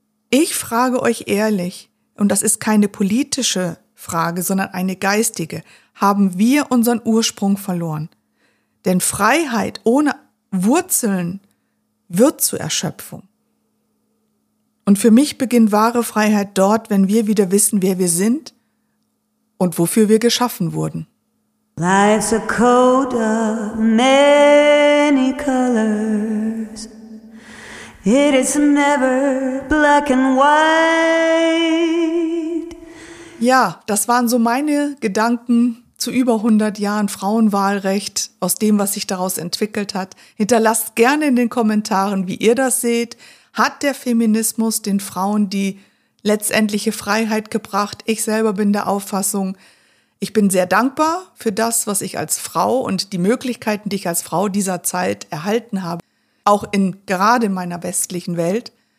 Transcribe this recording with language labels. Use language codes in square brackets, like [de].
[de] Ich frage euch ehrlich, und das ist keine politische Frage, sondern eine geistige, haben wir unseren Ursprung verloren? Denn Freiheit ohne Wurzeln wird zur Erschöpfung. Und für mich beginnt wahre Freiheit dort, wenn wir wieder wissen, wer wir sind und wofür wir geschaffen wurden. [en] Life's a coat of many colors. It is never black and white. [de] Ja, das waren so meine Gedanken zu über 100 Jahren Frauenwahlrecht, aus dem, was sich daraus entwickelt hat. Hinterlasst gerne in den Kommentaren, wie ihr das seht. Hat der Feminismus den Frauen die letztendliche Freiheit gebracht? Ich selber bin der Auffassung, ich bin sehr dankbar für das, was ich als Frau und die Möglichkeiten, die ich als Frau dieser Zeit erhalten habe, auch in gerade meiner westlichen Welt.